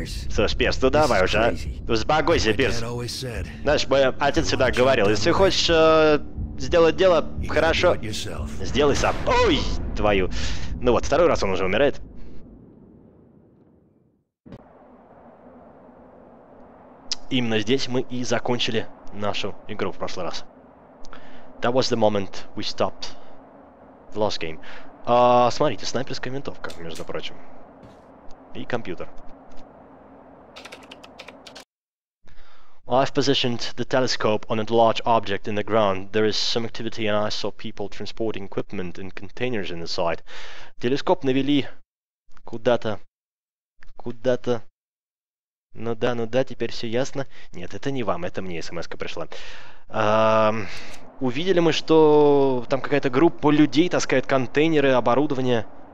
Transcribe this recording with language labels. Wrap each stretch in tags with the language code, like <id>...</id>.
<ru>Слушай, Пирс, ну давай уже, а? Успокойся, Пирс. Знаешь, мой отец всегда говорил, если хочешь сделать дело хорошо, сделай сам. Ой, твою. Ну вот, второй раз он уже умирает. Именно здесь мы и закончили нашу игру в прошлый раз.</ru> <en>That was the moment we stopped the last game.</en> <ru>Смотрите, снайперская винтовка, между прочим. И компьютер.</ru> <en>I've positioned the telescope on a large object in the ground. There is some activity and I saw people transporting equipment in containers inside.</en> <ru>Телескоп навели куда-то. Куда-то. Ну да, теперь все ясно. Нет, это не вам, это мне смс-ка пришла. Увидели мы, что там какая-то группа людей таскает контейнеры, оборудование.</ru>